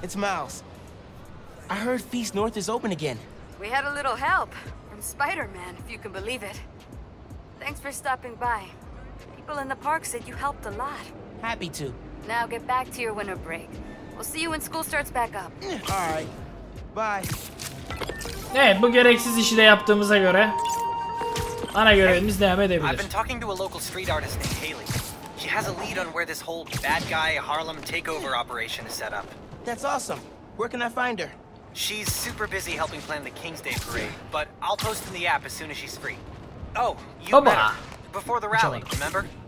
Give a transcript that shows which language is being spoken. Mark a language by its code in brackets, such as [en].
[en] It's Miles. I heard Feast North is open again. We had a little help from Spider-Man, if you can believe it. Thanks for stopping by. People in the park said you helped a lot. Happy to. Now get back to your winter break. We'll see you when school starts back up. Alright. Bye. [tr] Evet, bu gereksiz işi de yaptığımıza göre ana görevimiz devam edebilir. [en] I've been talking to a local street artist named Haley. She has a lead on where this whole bad guy Harlem takeover operation is set up. That's awesome. Where can I find her? She's super busy helping plan the King's Day parade, but I'll post in the app as soon as she's free. Oh, you met her before the rally, remember?